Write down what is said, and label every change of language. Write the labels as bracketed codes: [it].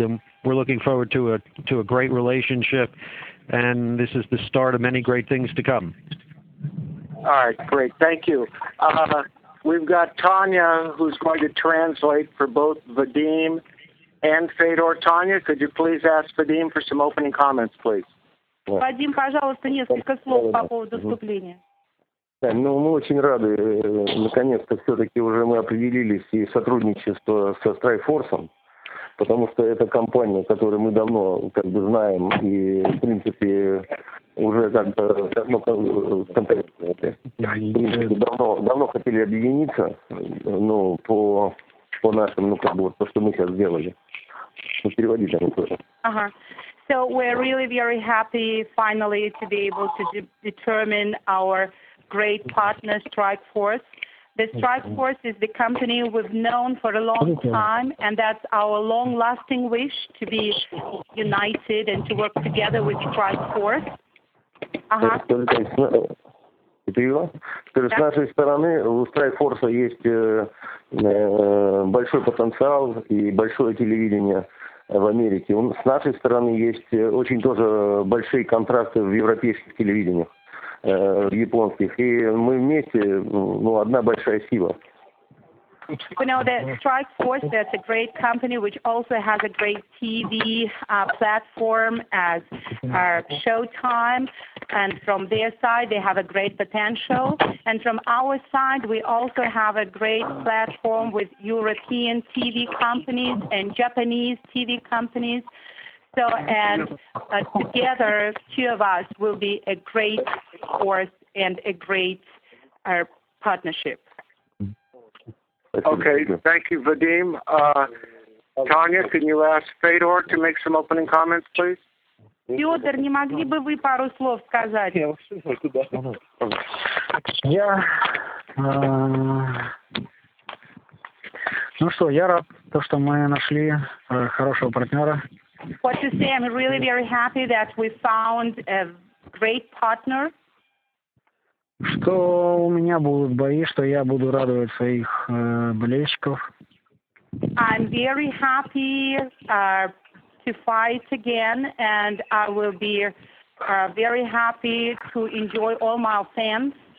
[en] And we're looking forward to a great relationship. And this is the start of many great things to come. All right, great. Thank you. We've got Tanya, who's going to translate for both Vadim and Fedor. Tanya, could you please ask Vadim for some opening comments, please? [ru] Vadim, пожалуйста, несколько слов по поводу вступления. Ну, мы очень рады, наконец-то все-таки уже мы определились и сотрудничество со Strikeforce, потому что это компания, которую мы давно как бы знаем и, в принципе, уже как бы давно, давно хотели объединиться, ну, по нашим, ну, как бы вот то, что мы сейчас сделали. Ну, переводить они тоже. Ага. [en] So we're really very happy finally to be able to determine our great partner Strikeforce. The Strikeforce is the company we've known for a long time, and that's our long-lasting wish to be united and to work together with Strikeforce. [ru] С нашей стороны у Strikeforce есть большой потенциал и большое телевидение в Америке. С нашей стороны есть очень тоже большие контракты в европейских телевидениях, в японских. И мы вместе, ну, одна большая сила. [en] We know that Strikeforce, that's a great company, which also has a great TV platform as Showtime. And from their side, they have a great potential. And from our side, we also have a great platform with European TV companies and Japanese TV companies. So, and together, two of us will be a great force and a great partnership. Okay, thank you, Vadim. Tanya, can you ask Fedor to make some opening comments, please? [ru] Fedor, не могли бы вы пару слов сказать? Я, ну что, я рад то, что мы нашли хорошего партнера. [en] What to say? I'm really very happy that we found a great partner. [ru] Что у меня будут бои, что я буду радовать своих болельщиков. [en] I'm very happy to fight again, and I will be very happy to enjoy all my fans.